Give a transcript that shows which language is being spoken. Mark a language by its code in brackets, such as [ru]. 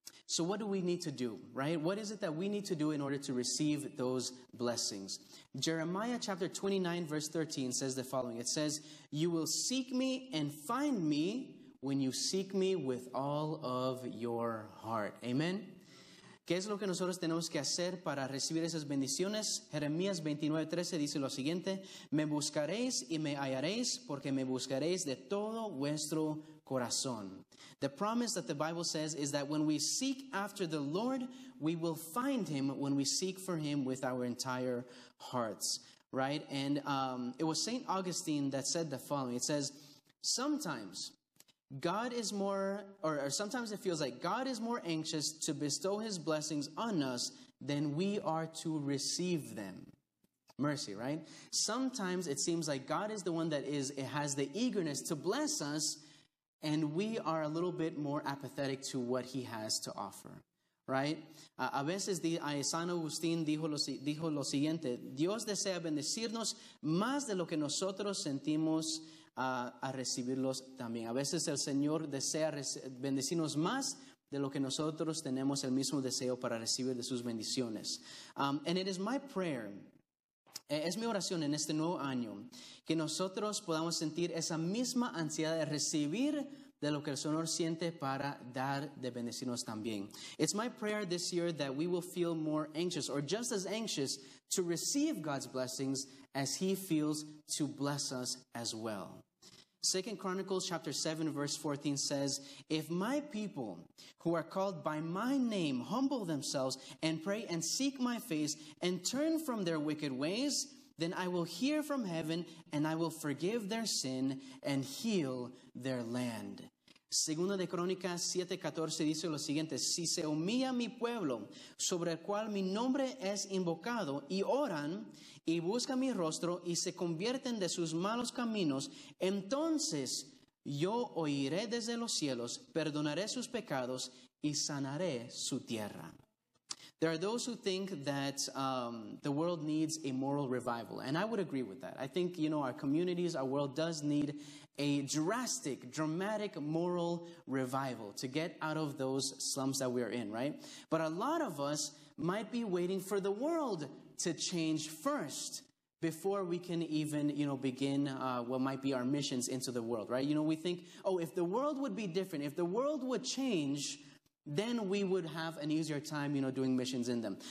[en] So what do we need to do, right? What is it that we need to do in order to receive those blessings? Jeremiah chapter 29, verse 13 says the following. It says, "You will seek me and find me when you seek me with all of your heart." Amen. [es] ¿Qué es lo que nosotros tenemos que hacer para recibir esas bendiciones? Jeremías 29, 13 dice lo siguiente. Me buscaréis y me hallaréis porque me buscaréis de todo vuestro corazón. [en] The promise that the Bible says is that when we seek after the Lord, we will find Him when we seek for Him with our entire hearts. Right? And it was St. Augustine that said the following. It says, sometimes it feels like God is more anxious to bestow His blessings on us than we are to receive them. Mercy, right? Sometimes it seems like God is the one that has the eagerness to bless us, and we are a little bit more apathetic to what He has to offer, right? [es] A veces, San Agustín dijo lo siguiente, Dios desea bendecirnos más de lo que nosotros sentimos a recibirlos también. A veces el Señor desea bendecirnos más de lo que nosotros tenemos el mismo deseo para recibir de sus bendiciones. [en] And it is my prayer, [es] es mi oración en este nuevo año, que nosotros podamos sentir esa misma ansiedad de recibir de lo que el Señor siente para dar de bendecirnos también. [en] It's my prayer this year that we will feel more anxious, or just as anxious, to receive God's blessings as He feels to bless us as well. 2 Chronicles chapter 7, verse 14 says, "If my people, who are called by my name, humble themselves and pray and seek my face and turn from their wicked ways, then I will hear from heaven, and I will forgive their sin and heal their land." Segunda de Crónicas 7:14 dice lo siguiente. Si se humilla mi pueblo, sobre el cual mi nombre es invocado, y oran, y buscan mi rostro, y se convierten de sus malos caminos, entonces yo oiré desde los cielos, perdonaré sus pecados, y sanaré su tierra. There are those who think that the world needs a moral revival, and I would agree with that. I think, you know, our communities, our world does need a drastic, dramatic moral revival to get out of those slums that we are in, right? But a lot of us might be waiting for the world to change first before we can even, you know, begin what might be our missions into the world, right? You know, we think, oh, if the world would be different, if the world would change, then we would have an easier time, you know, doing missions in them.